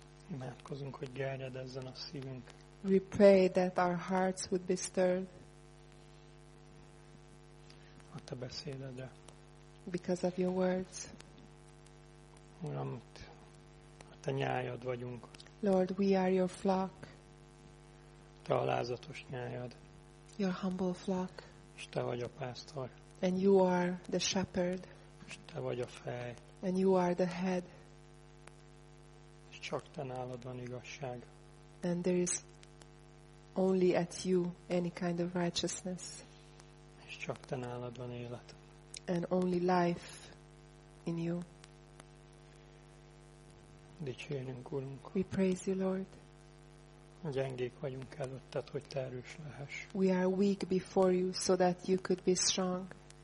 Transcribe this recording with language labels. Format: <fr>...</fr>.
<hu>Imádkozunk, hogy gerjedezzen a szívünk.</hu> <en>We pray that our hearts would be stirred.</en> <hu>A te beszédedre.</hu> <en>Because of your words.</en> <hu>Uram, a te nyájad vagyunk.</hu> <en>Lord, we are your flock.</en> <hu>Te alázatos nyájad.</hu> <en>Your humble flock.</en> <hu>És te vagy a pásztor.</hu> <en>And you are the shepherd.</en> <hu>És te vagy a fej.</hu> <en>And you are the head.</en> <hu>És csak te nálad van igazság.</hu> <en>And there is only at you any kind of righteousness.</en> <hu>És csak te nálad van élet.</hu> <en>And only life in you.</en> <hu>Dicsérünk, Urunk.</hu> <en>We praise you, Lord.</en> <hu>Gyengék vagyunk előtted, hogy te erős lehess.</hu> <en>We are weak before you, so that you could be strong.</en>